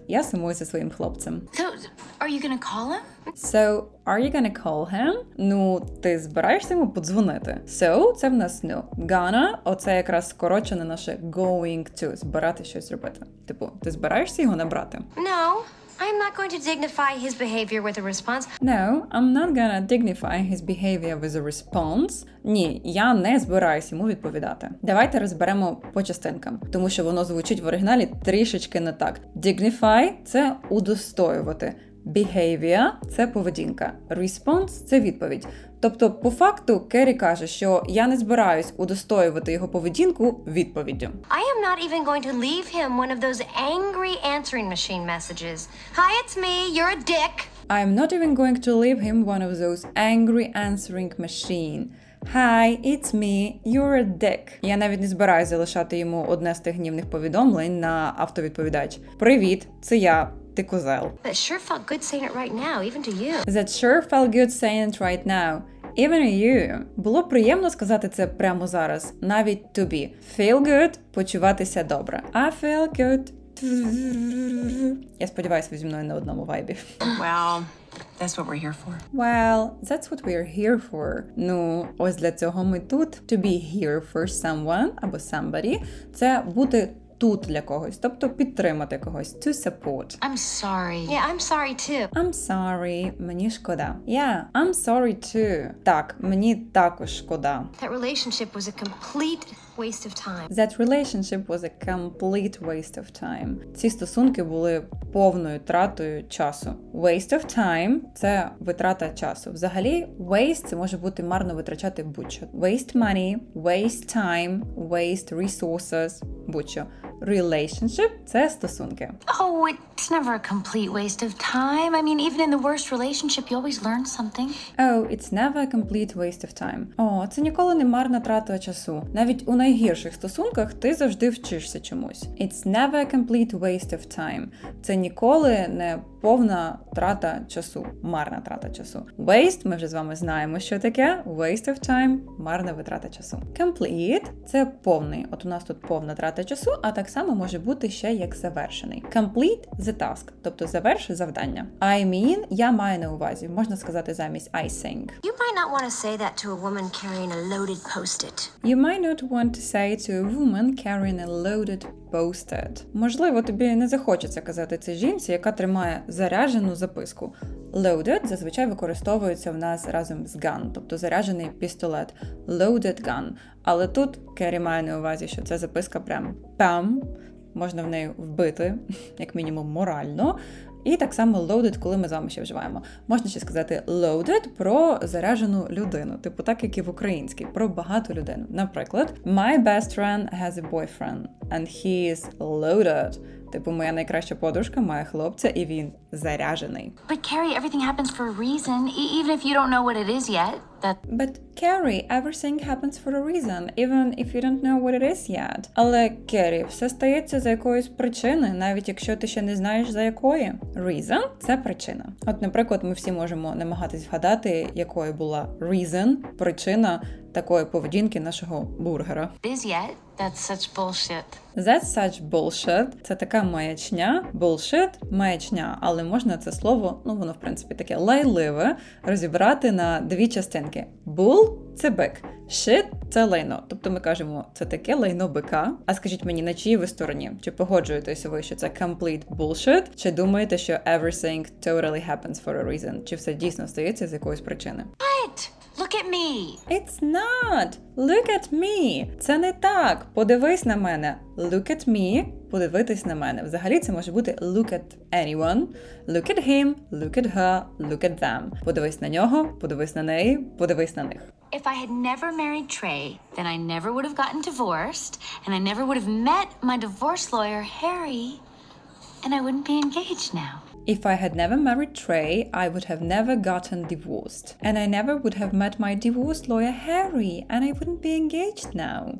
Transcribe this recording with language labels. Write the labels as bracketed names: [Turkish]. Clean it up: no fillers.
[Ukrainian] Я сумую за своїм хлопцем. [English] So, are you gonna call him? So, are you gonna call him? [Ukrainian] Ну, ти збираєшся йому подзвонити. So, це в нас no. Gonna, оце якраз скорочене наше going to, збирати щось зробити. Типу, ти збираєшся його набрати? [English] No. I'm not going to dignify his behavior with a response. No, I'm not gonna dignify his behavior with a response. [Ukrainian] Ні, я не збираюсь йому відповідати. Давайте розберемо по частинкам, тому що воно звучить в оригіналі трішечки не так. Dignify – це удостоювати. Behavior – це поведінка. Response – це відповідь. Тобто, по факту, Керрі каже, що я не збираюсь удостоювати його поведінку відповіддю. [English] I am not even going to leave him one of those angry answering machine messages. Hi, it's me, you're a dick. I am not even going to leave him one of those angry answering machine. Hi, it's me, you're a dick. [Ukrainian] Я навіть не збираюсь залишати йому одне з тих гнівних повідомлень на автовідповідач. Привіт, це я. Ти козел. [English] That sure felt good saying it right now, even to you. That sure felt good saying it right now, even to you. [Ukrainian] Було приємно сказати це прямо зараз, навіть тобі. [English] Feel good – [Ukrainian] почуватися добре. [English] I feel good. [Ukrainian] Я сподіваюся, ви зі мною на одному вайбі. [English] Well, that's what we're here for. Well, that's what we're here for. [Ukrainian] Ну, ось для цього ми тут. [English] To be here for someone [Ukrainian] або somebody – це бути тут для когось, тобто підтримати когось, [English] to support. I'm sorry. Yeah, I'm sorry too. I'm sorry, [Ukrainian] мені шкода. [English] Yeah, I'm sorry too. [Ukrainian] Так, мені також шкода. [English] That relationship was a complete waste of time. That relationship was a complete waste of time. [Ukrainian] Ці стосунки були повною тратою часу. [English] Waste of time [Ukrainian] – це витрата часу. Взагалі, waste – це може бути марно витрачати будь-що. [English] Waste money, waste time, waste resources – будь-що. [Ukrainian] Relationship – це стосунки. [English] Oh, it's never a complete waste of time. I mean, even in the worst relationship, you always learn something. Oh, it's never a complete waste of time. [Ukrainian] Це ніколи не марна трата часу. Навіть у найгірших стосунках ти завжди вчишся чомусь. [English] It's never a complete waste of time. [Ukrainian] Це ніколи не повна трата часу, марна трата часу. Waste, ми вже з вами знаємо, що таке. Waste of time, марна витрата часу. Complete – це повний. От у нас тут повна трата часу, а так само може бути ще як завершений. [English] Complete the task, [Ukrainian] тобто завершити завдання. [English] I mean, [Ukrainian] я маю на увазі, можна сказати замість [English] I think. You might not want to say that to a woman carrying a loaded post-it. You might not want to say to a woman carrying a loaded post-it. [Ukrainian] Можливо, тобі не захочеться казати це жінці, яка тримає заряджену записку. Loaded зазвичай використовується в нас разом з gun, тобто заряджений пістолет. [English] Loaded gun. [Ukrainian] Але тут Керрі має на увазі, що ця записка прям пам, можна в неї вбити, як мінімум морально. І так само loaded, коли ми з вами ще вживаємо. Можна ще сказати loaded про заряджену людину, типу так, як і в українській, про багату людину. Наприклад, [English] my best friend has a boyfriend and he is loaded. [Ukrainian] Типу, моя найкраща подружка має хлопця, і він заряжений. But Carrie, everything happens for a reason, even if you don't know what it is yet. But Carrie, everything happens for a reason, even if you don't know what it is yet. Але, Керрі, все стається за якоюсь причиною, навіть якщо ти ще не знаєш за якої. Reason – це причина. От, наприклад, ми всі можемо намагатись вгадати, якою була reason, причина такої поведінки нашого бургера. [English] Is yet? That's such bullshit. That's such bullshit. [Ukrainian] Це така маячня. [English] Bullshit – маячня. [Ukrainian] Але можна це слово, ну воно в принципі таке лайливе, розібрати на дві частинки. Bull – це бик. Shit – це лайно. Тобто ми кажемо, це таке лайно бика. А скажіть мені, на чиїй ви стороні? Чи погоджуєтеся ви, що це [English] complete bullshit? [Ukrainian] Чи думаєте, що [English] everything totally happens for a reason? [Ukrainian] Чи все дійсно стається з якоїсь причини? [English] What? Look at me! It's not! Look at me! [Ukrainian] Це не так! Подивись на мене! [English] Look at me! [Ukrainian] Подивитись на мене. Взагалі це може бути [English] look at anyone, look at him, look at her, look at them. [Ukrainian] Подивись на нього, подивись на неї, подивись на них. [English] If I had never married Trey, then I never would have gotten divorced, and I never would have met my divorce lawyer, Harry, and I wouldn't be engaged now. If I had never married Trey, I would have never gotten divorced. And I never would have met my divorce lawyer Harry, and I wouldn't be engaged now.